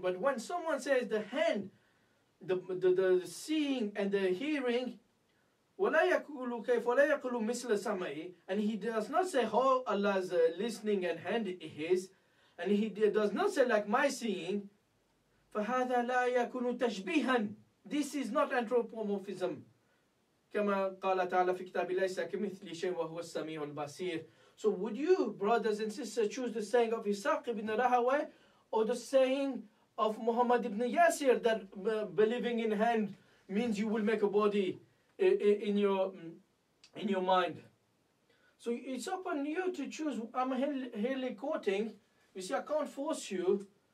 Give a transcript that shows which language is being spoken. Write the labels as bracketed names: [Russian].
[English] But when someone says the hand, the seeing and the hearing, [Arabic] وَلَا يَقُولُ كَيْفَ وَلَا يَقُولُ مِثْلَ سَمَعِ, [English] and he does not say how Allah's listening and hand is, and he does not say like my seeing, [Arabic] فَهَذَا لَا يَكُونُ تَشْبِيهًا, [English] this is not anthropomorphism. [Arabic] كما قال تعالى في كتاب ليس كمثل شيء وهو السميع البصير. [English] So would you, brothers and sisters, choose the saying of Isaac ibn Rahawai or the saying of Muhammad ibn Yasir that believing in hand means you will make a body in your mind? So it's upon you to choose. I'm here quoting. You see, I can't force you.